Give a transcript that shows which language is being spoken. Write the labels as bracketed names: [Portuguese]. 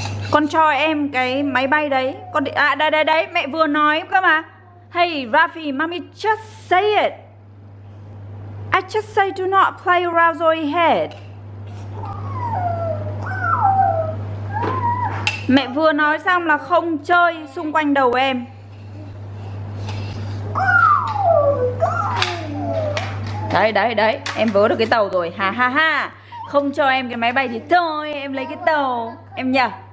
[Vietnamese] Con cho em cái máy bay đấy. Con à, đây đây đấy, mẹ vừa nói cơ mà. [English] Hey, Rafi, mommy, just say it. I just say do not play around Zoe's head. [Vietnamese] Mẹ vừa nói xong là không chơi xung quanh đầu em. Đấy, đấy, đấy, em vớ được cái tàu rồi, ha ha ha. Không cho em cái máy bay thì thôi, em lấy cái tàu, em nhờ.